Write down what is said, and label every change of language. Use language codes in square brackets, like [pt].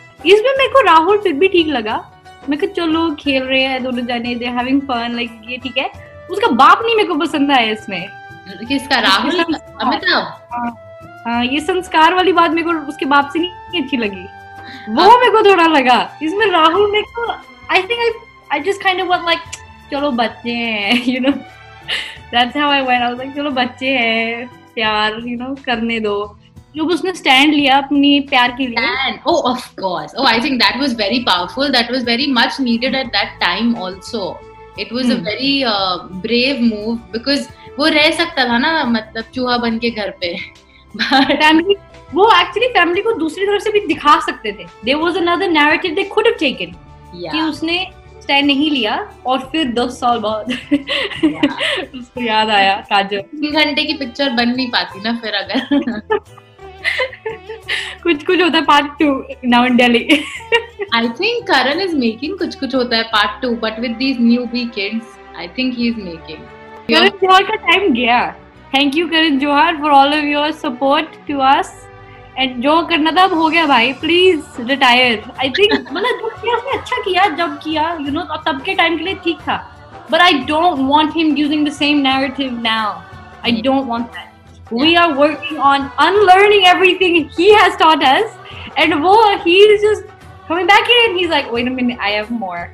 [hi] इसमें मेरे को राहुल फिर भी ठीक लगा. मैं चलो खेल रहे हैं दोनों जाने, [en] they are having fun, [hi] like ये ठीक है. उसका बाप नहीं मेरे को पसंद आया इसमें. किसका, राहुल अमिताभ? हाँ, ये संस्कार वाली बात मेरे को उसके बाप से नहीं अच्छी लगी. वो मेरे को थोड़ा लगा इसमें राहुल मेरे को. [en] I think I just kind of was like [hi] चलो बच्चे हैं, [en] you know that's how I went. I was like चलो बच्चे हैं, प्यार you know [hi] करने दो. जो उसने स्टैंड लिया अपनी प्यार के लिए. [en] Oh of course. Oh I think that was very powerful. That was very much needed at that time also. It was a very brave move because [hi] वो रह सकता था ना, मतलब चूहा बन के घर पे. फैमिली वो एक्चुअली फैमिली को दूसरी तरफ से भी दिखा सकते थे. [en] There was another narrative they could have taken. Yeah. [hi] कि उसने स्टैंड नहीं लिया और फिर 10 साल बाद उसको याद आया काजल. 3 घंटे की पिक्चर बन नहीं पाती ना फिर अगर. कुछ कुछ होता है part two now in Delhi. [en] I think Karan is making कुछ कुछ होता है part two, but with these newbie kids I think he is making. [hi] Karan Johar का टाइम गया. [en] Thank you Karan Johar for all of your support to us. [hi] And जो करना था अब हो गया भाई, प्लीज रिटायर. आई थिंक मतलब अच्छा किया जब किया, यू नो तब के टाइम के लिए ठीक था. [en] But I don't want him using the same narrative now. I don't want that. Yeah. We are working on unlearning everything he has taught us, and he is just coming back in. And he's like, wait a minute, I have more.